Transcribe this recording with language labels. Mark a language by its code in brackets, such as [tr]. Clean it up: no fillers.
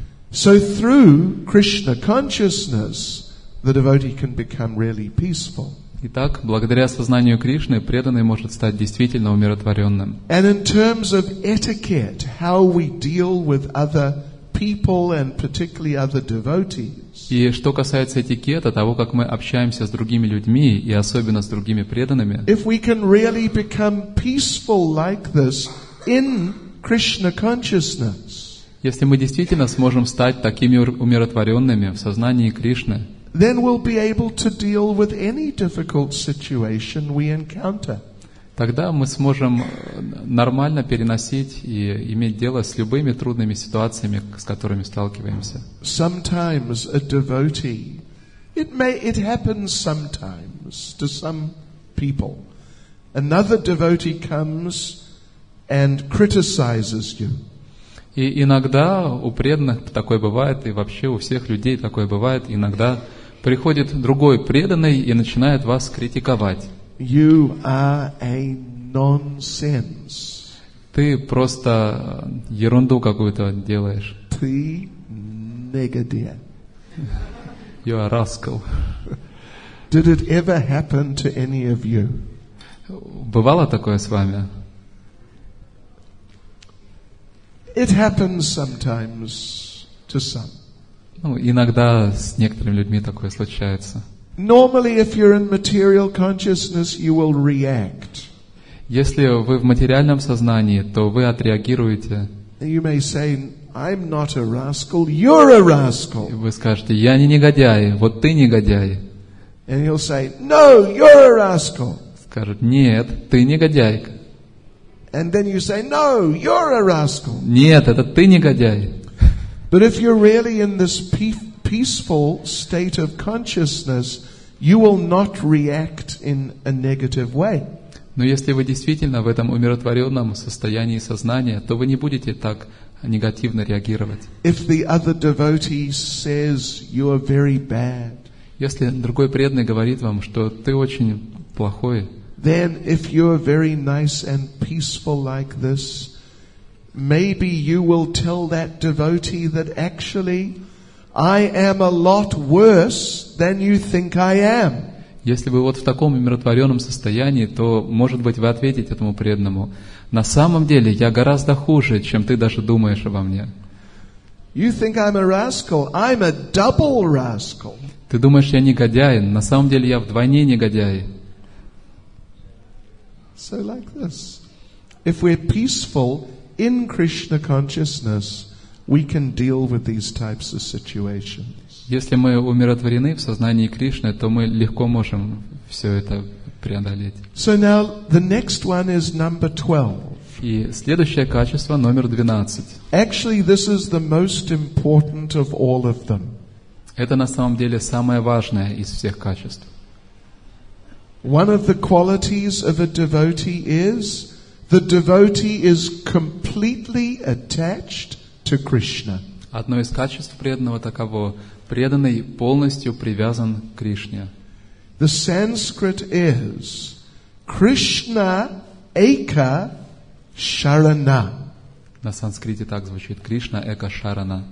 [en] So through Krishna consciousness, the devotee can become really peaceful. [ru] Итак, благодаря сознанию Кришны, преданный может стать действительно умиротворенным. [en] And in terms of etiquette, how we deal with other people and particularly other devotees. [ru] И что касается этикета, того, как мы общаемся с другими людьми и особенно с другими преданными. [en] If we can really become peaceful like this in Krishna consciousness. [ru] Если мы действительно сможем стать такими умиротворенными в сознании Кришны, [en] then we'll be able to deal with any difficult situation we encounter. [ru] Тогда мы сможем нормально переносить и иметь дело с любыми трудными ситуациями, с которыми сталкиваемся. [en] Sometimes a devotee, it happens sometimes to some people. Another devotee comes and criticizes you. [ru] И иногда у преданных такое бывает, и вообще у всех людей такое бывает. Иногда приходит другой преданный и начинает вас критиковать. [en] You are a nonsense. [ru] Ты просто ерунду какую-то делаешь. Ты негодяй. [en] You are rascal. Did it ever happen to any of you? [ru] Бывало такое с вами? [en] It happens sometimes to some. [ru] Ну, иногда с некоторыми людьми такое случается. [en] Normally, if you're in material consciousness, you will react. [ru] Если вы в материальном сознании, то вы отреагируете. [en] You may say, I'm not a rascal, you're a rascal. [ru] Вы скажете, я не негодяй, вот ты негодяй. [en] And he'll say, no, you're a rascal. [ru] Скажет, нет, ты негодяй. [en] And then you say, no, you're a rascal. [ru] Нет, это ты негодяй. [en] But if you're really in this peaceful state of consciousness, you will not react in a negative way. [ru] Но если вы действительно в этом умиротворенном состоянии сознания, то вы не будете так негативно реагировать. [en] If the other devotee says you are very bad, [ru] если другой преданный говорит вам, что ты очень плохой, [en] then if you are very nice and peaceful like this, maybe you will tell that devotee that actually I am a lot worse than you think I am. [ru] Если вы вот в таком умиротворенном состоянии, то, может быть, вы ответите этому преданному, на самом деле я гораздо хуже, чем ты даже думаешь обо мне. [en] You think I'm a rascal? I'm a double rascal. [ru] Ты думаешь, я негодяй? На самом деле я вдвойне негодяй. [en] So like this. If we're peaceful in Krishna consciousness, we can deal with these types of situations. [ru] Если мы умиротворены в сознании Кришны, то мы легко можем все это преодолеть. [en] So now the next one is number 12. [ru] И следующее качество номер 12. [en] Actually, this is the most important of all of them. [ru] Это на самом деле самое важное из всех качеств. [en] One of the qualities of a devotee is the devotee is completely attached to Krishna. [ru] Одно из качеств преданного таково: преданный полностью привязан к Кришне. [en] The Sanskrit is Krishna Eka Sharana. [ru] На санскрите так звучит: Кришна Эка Шарана.